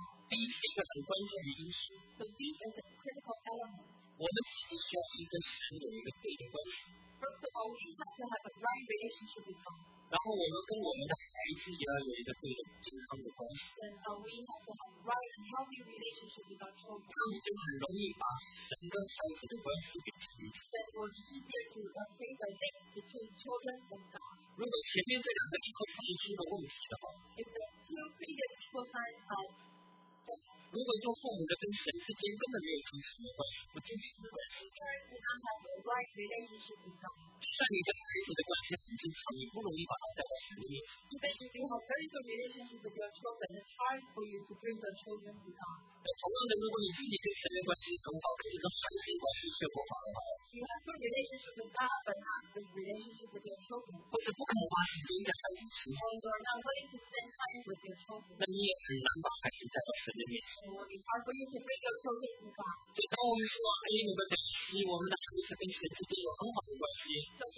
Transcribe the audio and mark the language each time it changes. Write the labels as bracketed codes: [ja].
[zh] ，B 是一个很关键的因素。 [en] So B is a critical element. [zh] 我们自己需要是跟神有一个对的关系。 [en] First of all, we have to have a right relationship with God. [zh] 然后我们跟我们的孩子也要有一个对的健康的关系。 [en] And we have to have a right and healthy relationship with our children. [zh] 这样就很容易把神跟孩子的关系给建立起来。 [en] Then it will be easier to create a link between children and God. [zh] 如果前面这两个 equal sign 出了问题的话 [en] ，If the two previous equal signs are [zh] 如果做父母的跟神之间根本没有真实的关系，不真实的关系，就算你跟孩子的关系很正常，你不容易把他带到神的面前。 [en] Even if you have very good relationship with your children, it's hard for you to bring your children to God. [zh] 同样的，如果你自己跟神的关系很好，可是跟孩子的关系却不好的话 [en] ，You have good relationship with God, but not good relationship with your children. [zh] 或者不肯花时间在孩子身上 [en] ，You are not willing to spend time with your children. [zh] 那你也很难把孩子带到神的面前。 [en] It will be hard for you to bring your children to God. [zh] 所以，当我们说 A 能够等于 C， 我们的孩子跟神之间有很好的关系。